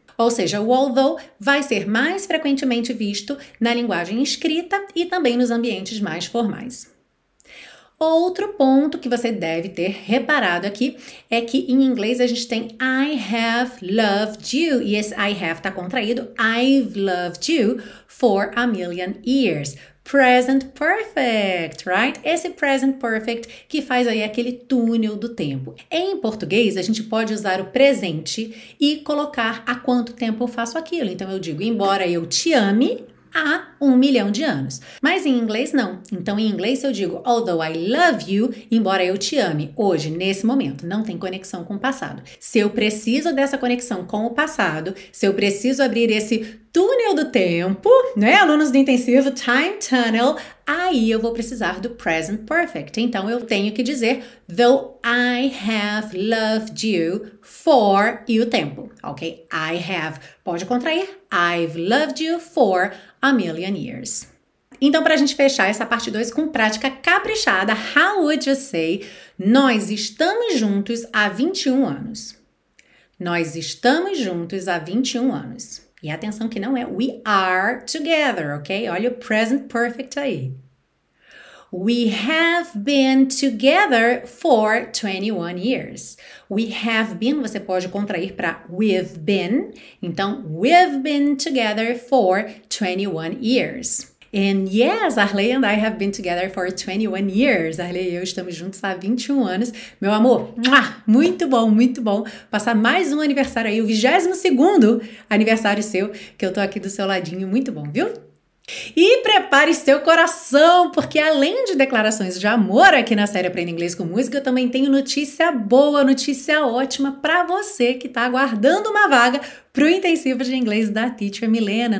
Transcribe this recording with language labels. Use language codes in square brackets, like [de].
[pt] Ou seja, o although vai ser mais frequentemente visto na linguagem escrita e também nos ambientes mais formais. Outro ponto que você deve ter reparado aqui é que em inglês a gente tem [en] I have loved you. [pt] E esse I have está contraído. [en] I've loved you for a million years. Present perfect, right? [pt] Esse present perfect que faz aí aquele túnel do tempo. Em português, a gente pode usar o presente e colocar há quanto tempo eu faço aquilo. Então eu digo, embora eu te ame, há 1 milhão de anos. Mas em inglês, não. Então, em inglês, eu digo, [en] although I love you, [pt] embora eu te ame hoje, nesse momento, não tem conexão com o passado. Se eu preciso dessa conexão com o passado, se eu preciso abrir esse túnel do tempo, né, alunos do intensivo, time tunnel, aí eu vou precisar do present perfect. Então, eu tenho que dizer, [en] though I have loved you for, [pt] e o tempo, ok? [en] I have, [pt] pode contrair, [en] I've loved you for a million years. [pt] Então, para a gente fechar essa parte 2 com prática caprichada, [en] how would you say [pt] nós estamos juntos há 21 anos? Nós estamos juntos há 21 anos. E atenção que não é [en] we are together, [pt] ok? Olha o present perfect aí. [en] We have been together for 21 years. We have been, [pt] você pode contrair para [en] we've been. Então, we've been together for 21 years. And yes, Arley and I have been together for 21 years. [pt] Arley e eu estamos juntos há 21 anos. Meu amor, muito bom, muito bom. Passar mais um aniversário aí, o 22º aniversário seu, que eu tô aqui do seu ladinho. Muito bom, viu? E prepare seu coração, porque além de declarações de amor aqui na série Aprenda Inglês com Música, eu também tenho notícia boa, notícia ótima para você que está aguardando uma vaga para o intensivo de inglês da Teacher Milena.